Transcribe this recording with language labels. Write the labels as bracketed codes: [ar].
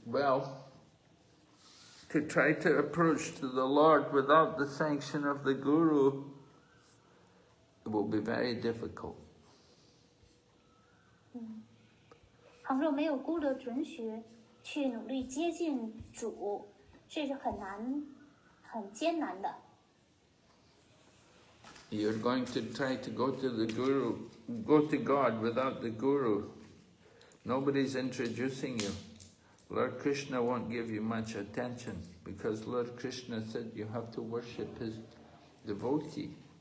[en] Well, to try to approach to the Lord without the sanction of the Guru, it will be very difficult. [zh] 倘若没有Guru的准许，去努力接近主，这是很难，很艰难的。 [en] You're going to try to go to the Guru, go to God without the Guru. Nobody's introducing you. Lord Krishna won't give you much attention because Lord Krishna said you have to worship his devotee.